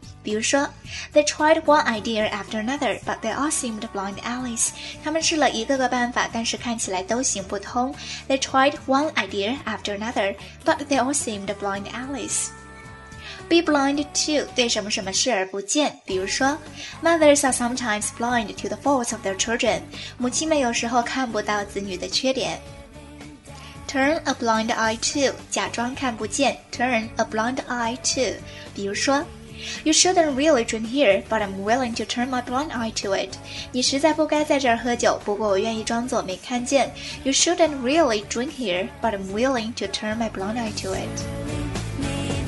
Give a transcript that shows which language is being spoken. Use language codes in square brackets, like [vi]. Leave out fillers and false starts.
[zh] 比如说 [en] They tried one idea after another, but they all seemed blind alleys. [zh] 他们试了一个个办法，但是看起来都行不通。 [en] They tried one idea after another, but they all seemed blind alleys. Be blind to, [zh] 对什么什么视而不见。比如说 [en] Mothers are sometimes blind to the faults of their children. [zh] 母亲们有时候看不到子女的缺点。 [en] Turn a blind eye to, [zh] 假装看不见。 [en] Turn a blind eye to, [zh] 比如说 [en] You shouldn't really drink here, but I'm willing to turn my blind eye to it. [zh] 你实在不该在这儿喝酒，不过我愿意装作没看见。 [en] You shouldn't really drink here, but I'm willing to turn my blind eye to it.